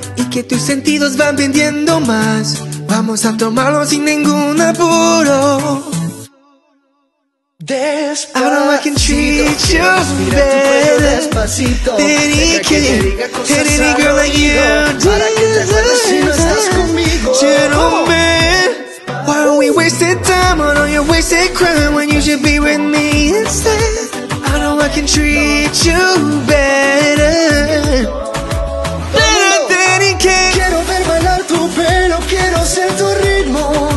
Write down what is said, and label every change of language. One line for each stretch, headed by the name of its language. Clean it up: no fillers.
Spanish: Y que tus sentidos van vendiendo más. Vamos a tomarlo sin ningún apuro. Despacito,
English: I know I can treat you better.
Spanish: Despacito, deja que te diga cosas al oído. Para que te acuerdes si no estás conmigo.
English: Gentleman. Why are we wasting time on all your wasted crime when you should be with me instead? I know I can treat you better than he can.
Spanish: Quiero ver bailar tu pelo, quiero ser tu ritmo.